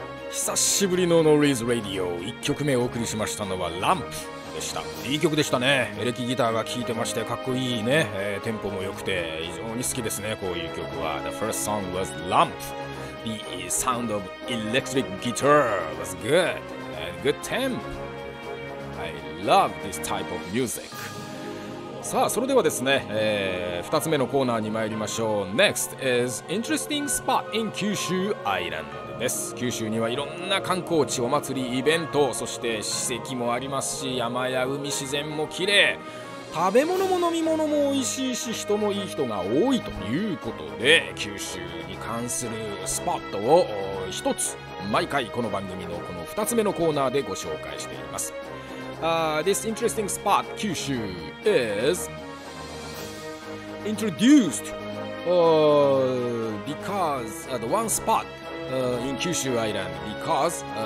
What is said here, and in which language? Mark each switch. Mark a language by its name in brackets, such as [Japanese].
[Japanese] 久しぶりのノリーズラディオ、1曲目お送りしましたのはランプでした。いい曲でしたね。エレキギターが効いてましてかっこいいね、テンポも良くて非常に好きですね、こういう曲は。 [English] The first song was Lump. The sound of electric guitar was good and good tempo. I love this type of music. [Japanese] さあ、それではですね、2つ目のコーナーに参りましょう。 [English] Next is interesting spot in Kyushu Island. [Japanese] です。九州にはいろんな観光地、お祭り、イベント、そして史跡もありますし、山や海、自然も綺麗、食べ物も飲み物も美味しいし、人もいい人が多いということで、九州に関するスポットを一つ毎回この番組のこの2つ目のコーナーでご紹介しています。 [English] This interesting spot 九州 is introduced because the one spotin Kyushu Island, because